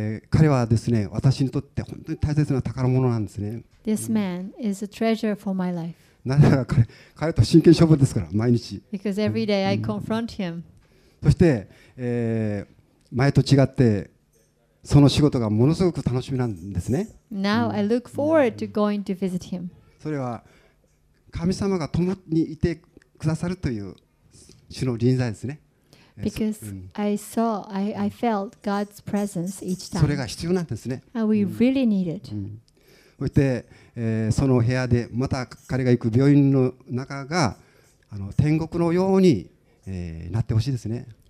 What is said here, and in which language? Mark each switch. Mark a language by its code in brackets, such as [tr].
[ja] 彼はですね、私にとって本当に大切な宝物なんですね。 [en] This man is a treasure for my life. [ja] なぜなら彼と真剣勝負ですから毎日。 [en] Because every day I confront him. [ja] そして、前と違ってその仕事がものすごく楽しみなんですね。 [en] Now I look forward to going to visit him. [ja] それは神様が共にいてくださるという主の臨在ですね。 [en] Because I felt God's presence each time. [ja] それが必要なんですね。 [en] And we really need it. [ja] そして、その部屋でまた彼が行く病院の中が天国のように、なってほしいですね。